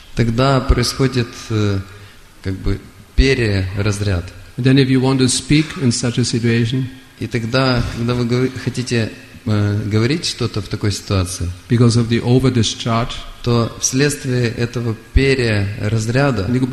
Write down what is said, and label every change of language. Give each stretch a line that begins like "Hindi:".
Russian: Тогда происходит как бы переразряд.
English: Then if you want to speak in such a situation,
Russian: и тогда, когда вы хотите говорить что-то в такой ситуации,
English: because of the over-discharge,
Russian: то вследствие этого переразряда